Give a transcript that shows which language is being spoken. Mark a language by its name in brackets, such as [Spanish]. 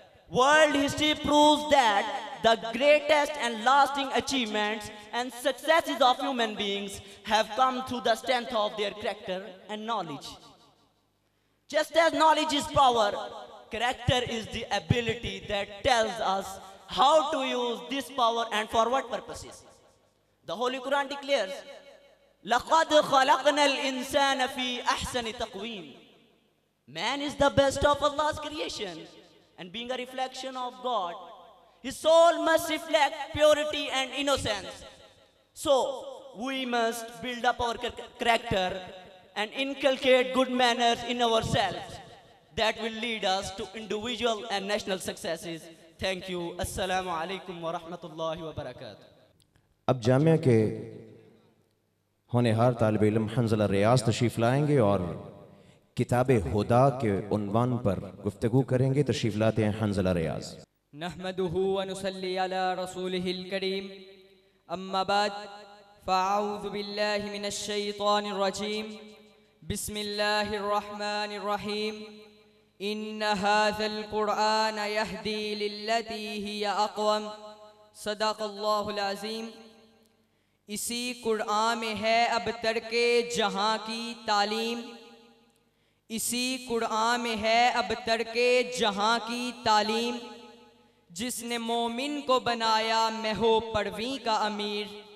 [English] World history proves that the greatest and lasting achievements and successes of human beings have come through the strength of their character and knowledge. Just as knowledge is power, character is the ability that tells us how to use this power and for what purposes. The Holy Quran declares, [Arabic] لَقَدْ خَلَقْنَا الْإِنسَانَ فِي أَحْسَنِ تَقْوِيمٍ. [English] Man is the best of Allah's creation, and being a reflection of God, his soul must reflect purity and innocence. So we must build up our character and inculcate good manners in ourselves. That will lead us to individual and national successes. Thank you. Assalamu alaikum wa rahmatullahi wa barakatuh. [Urdu] اب جامعہ کے ہونہار طالب علم حنزلہ ریاض تشریف لائیں گے اور کتاب ہدا کے عنوان پر گفتگو کریں گے. تشریف لاتے ہیں حنزلہ ریاض. [Arabic] نحمده ونصلي على رسوله الكريم اما بعد فاعوذ بالله من الشيطان الرجيم بسم الله الرحمن الرحيم ان هذا القران يهدي للتي هي اقوم صدق الله العظيم. [Urdu] اسی قرآن میں ہے اب ترک جہاں کی تعلیم, اسی قرآن میں ہے اب ترک جہاں کی تعلیم, جس نے مومن کو بنایا میں ہو پرویں کا امیر,